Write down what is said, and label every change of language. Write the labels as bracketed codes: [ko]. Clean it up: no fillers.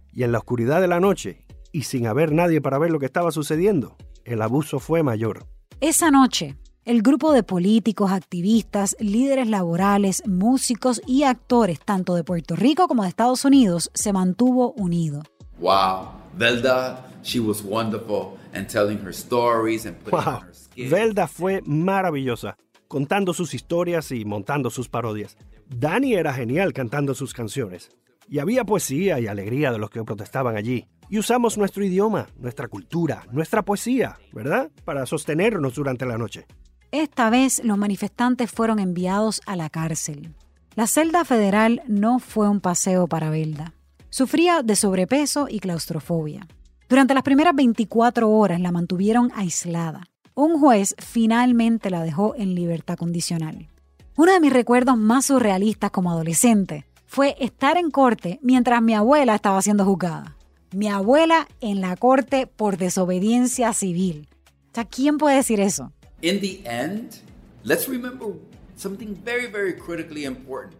[es] Y en la oscuridad de la noche, y sin haber nadie para ver lo que estaba sucediendo, el abuso fue mayor. Esa noche, el grupo de políticos, activistas, líderes laborales, músicos y actores, tanto de Puerto Rico como de Estados Unidos, se mantuvo unido. [en] Wow, Velda, she was wonderful and telling her stories and putting on her skin. [es] Velda fue maravillosa, contando sus historias y montando sus parodias. Danny era genial cantando sus canciones. Y había poesía y alegría de los que protestaban allí. Y usamos nuestro idioma, nuestra cultura, nuestra poesía, ¿verdad? Para sostenernos durante la noche. Esta vez los manifestantes fueron enviados a la cárcel. La celda federal no fue un paseo para Velda. Sufría de sobrepeso y claustrofobia. Durante las primeras 24 horas la mantuvieron aislada. Un juez finalmente la dejó en libertad condicional. Uno de mis recuerdos más surrealistas como adolescente fue estar en corte mientras mi abuela estaba siendo juzgada. Mi abuela en la corte por desobediencia civil. O sea, ¿quién puede decir eso? [en] In the end, let's remember something very, very critically important.